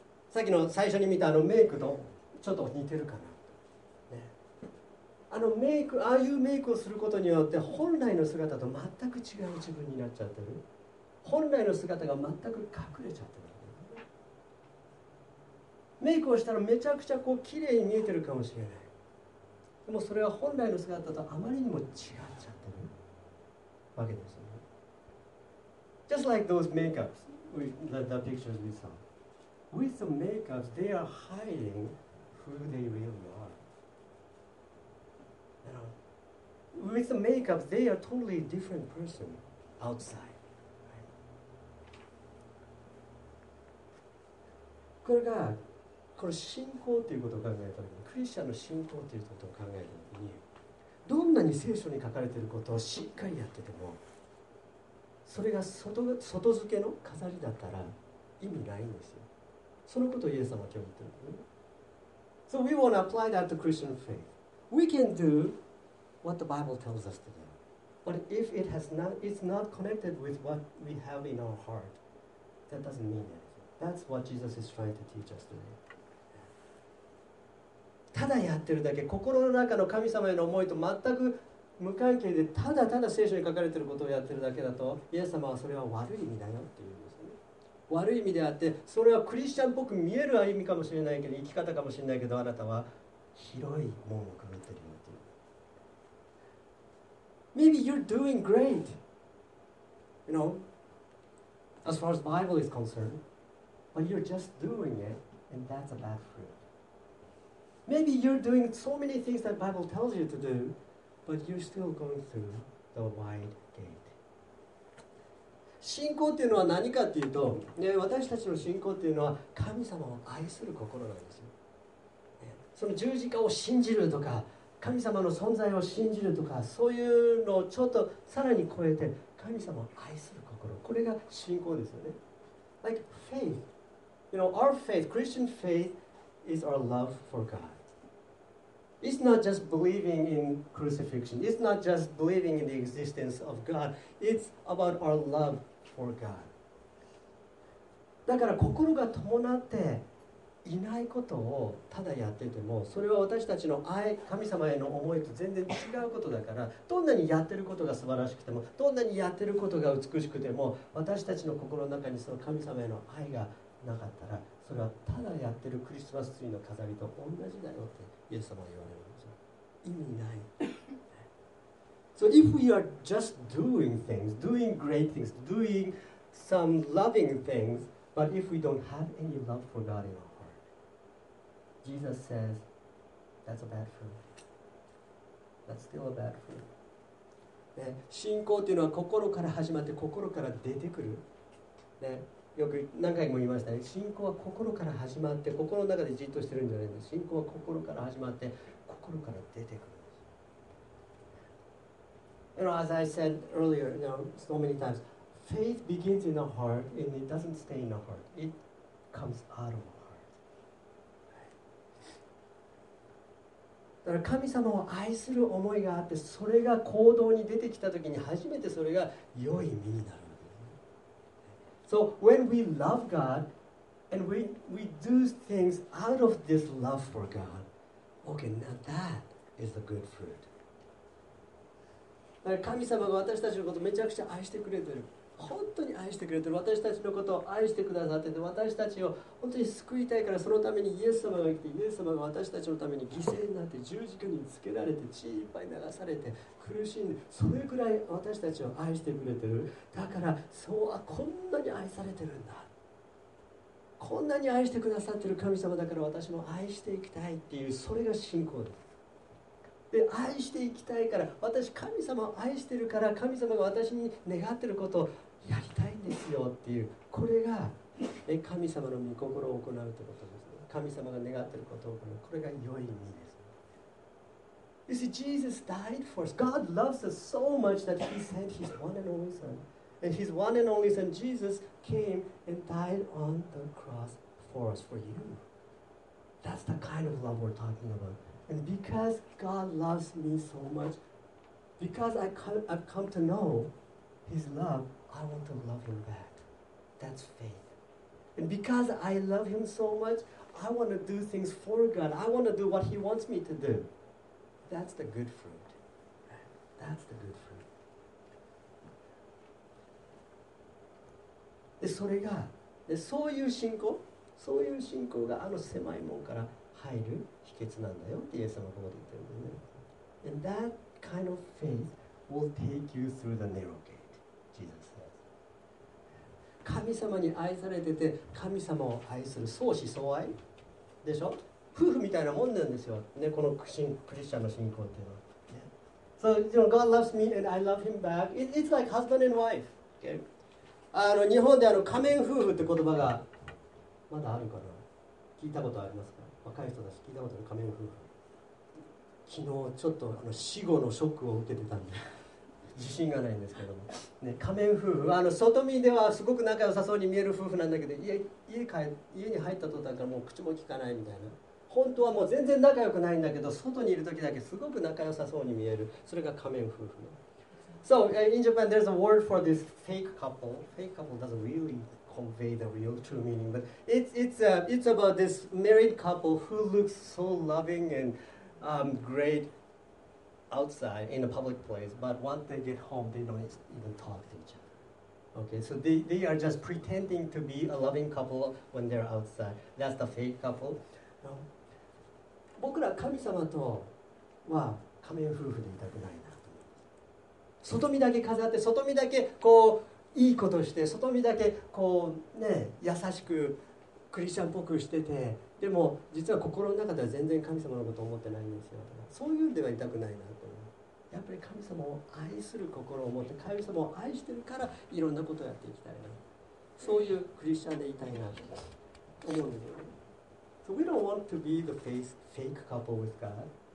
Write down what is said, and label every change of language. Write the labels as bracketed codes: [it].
[ja] さっきの最初に見たあのメイクとちょっと似てるかな、ね、あのメイク、ああいうメイクをすることによって本来の姿と全く違う自分になっちゃってる。本来の姿が全く隠れちゃってる。メイクをしたらめちゃくちゃこう綺麗に見えてるかもしれない。でもそれは本来の姿とあまりにも違っちゃってるわけですよね。 [en] Just like those makeups, the pictures we saw. With the makeups, they are hiding who they really are. Now, with the makeups, they are totally different person outside. [ja] これがこの信仰ということを考えたときに、クリスチャンの信仰ということを考えたときに、どんなに聖書に書かれていることをしっかりやってても、それが 外付けの飾りだったら意味ないんですよ。そのことをイエス様は今日言ってる。 [en] So we want to apply that to Christian faith. We can do what the Bible tells us to do. But if it has not, it's not connected with what we have in our heart, that doesn't mean it. That's what Jesus is trying to teach us today. [ja] ただやってるだけ、心の中の神様への思いと全く無関係で、ただただ聖書に書かれていることをやってるだけだと、イエス様はそれは悪い意味だよっていうんですね。悪い意味であって、それはクリスチャンっぽく見える歩みかもしれないけど、生き方かもしれないけど、あなたは広い門をくぐってるよっていう。 [en] Maybe you're doing great, you know, as far as the Bible is concerned. But you're just doing it, and that's a bad fruit. Maybe you're doing so many things that Bible tells you to do, but you're still going through the wide gate. [ja] 信仰っていうのは何かっていうと、ね、私たちの信仰っていうのは神様を愛する心なんですよ、ね、その十字架を信じるとか、神様の存在を信じるとか、そういうのをちょっとさらに超えて神様を愛する心、これが信仰ですよね。 [en] Like faithYou know, our faith, Christian faith, is our love for God. It's not just believing in crucifixion. It's not just believing in the existence of God. It's about our love for God. [ja] だから心が伴っていないことをただやってても、それは私たちの愛、神様への思いと全然違うことだから、どんなにやってることが素晴らしくても、どんなにやってることが美しくても、私たちの心の中にその神様への愛がなかったら、それはただやってるクリスマスツリーの飾りと同じだよってイエス様は言われるんですよ。意味ない。 [en] So if we are just doing things, doing great things, doing some loving things, but if we don't have any love for God in our heart, Jesus says, that's a bad fruit. That's still a bad fruit.、 [ja] ね、信仰というのは心から始まって心から出てくる。ね、よく何回も言いましたね。信仰は心から始まって、心の中でじっとしてるんじゃないんです。信仰は心から始まって、心から出てくるんです。 [en] You know, as I said earlier, you know, so many times, faith begins in the heart and it doesn't stay in the heart. It comes out of the heart. [ja] だから神様を愛する思いがあって、それが行動に出てきたときに初めてそれが良い身になる。 [en] So when we love God and we do things out of this love for God, okay, now that is the good fruit. [ja] 神様が私たちのことをめちゃくちゃ愛してくれてる。本当に愛してくれてる。私たちのことを愛してくださってて、私たちを本当に救いたいから、そのためにイエス様が来て、イエス様が私たちのために犠牲になって、十字架につけられて、血いっぱい流されて、苦しんで、それくらい私たちを愛してくれてる。だから、そうはこんなに愛されてるんだ。こんなに愛してくださってる神様だから、私も愛していきたいっていう、それが信仰です。で、愛していきたいから、私、神様を愛してるから、神様が私に願ってることをやりたいんですよっていう、これが神様の御心を行うってことですね。神様が願ってることを行う、これが良い意味です。 [en] You see, Jesus died for us. God loves us so much that He sent His one and only Son. And His one and only Son, Jesus, came and died on the cross for us, for you. That's the kind of love we're talking about. And because God loves me so much, because I've come to know His love, I want to love Him back. That's faith. And because I love him so much, I want to do things for God. I want to do what he wants me to do. That's the good fruit. That's the good fruit. [ja] で、それが、で、そういう信仰、そういう信仰があの狭い門から入る秘訣なんだよってイエス様ここで言ってるんだよね。 [en] And that kind of faith will take you through the narrow gate, Jesus says. [ja] 神様に愛されてて、神様を愛する相思相愛でしょ？夫婦みたいなもんなんですよ、ね、このクリスチャンの信仰っていうのは。 [en] So, you know, God loves me and I love him back. It's like husband and wife. Okay. [ja] 日本で仮面夫婦って言葉がまだあるかな？聞いたことありますか？若い人たち聞いたことある仮面夫婦。昨日ちょっと死後のショックを受けてたんで自信がないんですけども、ね、仮面夫婦は外見ではすごく仲良さそうに見える夫婦なんだけど、 家に入った途端からもう口も聞かないみたいな。本当はもう全然仲良くないんだけど、外にいる時だけすごく仲良さそうに見える、それが仮面夫婦。 [en] So in Japan there's a word for this fake couple. Fake couple doesn't really convey the real true meaning, but it's about this married couple who looks so loving andgreat outside in a public place, but once they get home, they don't even talk to each other. Okay, so they are just pretending to be a loving couple when they're outside. That's the fake couple. No. [ja] 僕ら神様とは仮面夫婦でいたくないなと思います。外見だけ飾って、外見だけこういいことして、外見だけこうね優しくクリスチャンっぽくしてて。でも実は心の中では全然神様のことを思ってないんですよ。そういうんではいたくないなと。やっぱり神様を愛する心を持って、神様を愛してるからいろんなことをやっていきたいな。そういうクリスチャンでいたいなと思うんですよ。 [en] So we don't want to be the fake couple with God.